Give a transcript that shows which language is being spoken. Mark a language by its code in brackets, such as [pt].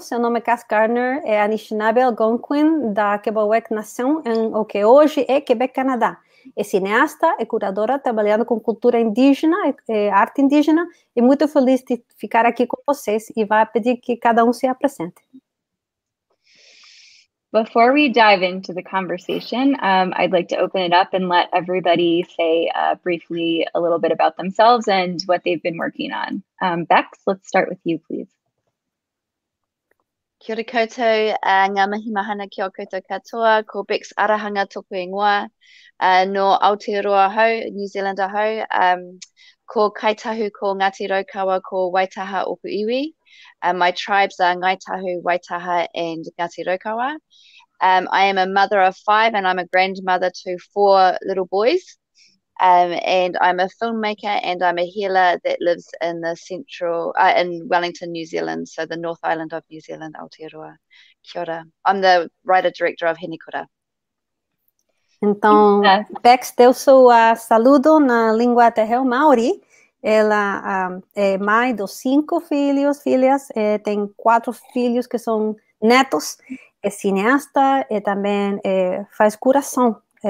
[pt] Seu nome é Cass Gardiner, é Anishinaabe Algonquin da Kebewek Nação em o que hoje é Quebec, Canadá. É cineasta, é curadora, trabalhando com cultura indígena, é arte indígena, e muito feliz de ficar aqui com vocês e vai pedir que cada se apresente. [en] Before we dive into the conversation, I'd like to open it up and let everybody say briefly a little bit about themselves and what they've been working on. Becs, let's start with you, please. [mi] Kia ora koutou, ngā mihi mahana kia koutou katoa, ko Becs Arahanga toku ingoa, no Aotearoa hau, New Zealand hau, ko Kaitahu ko Ngāti Raukawa ko Waitaha Oku Iwi. [en] My tribes are Ngaitahu, Waitaha and Ngāti Raukawa. I am a mother of five and I'm a grandmother to four little boys. And I'm a filmmaker and I'm a healer that lives in the central, in Wellington, New Zealand, so the North Island of New Zealand, Aotearoa. Kia ora. I'm the writer-director of Hinekura. [pt] Então, Bex, deu seu saludo na língua terreo Maori. Ela é mãe dos cinco filhos, filhas, tem quatro filhos que são netos, é cineasta e também faz curação.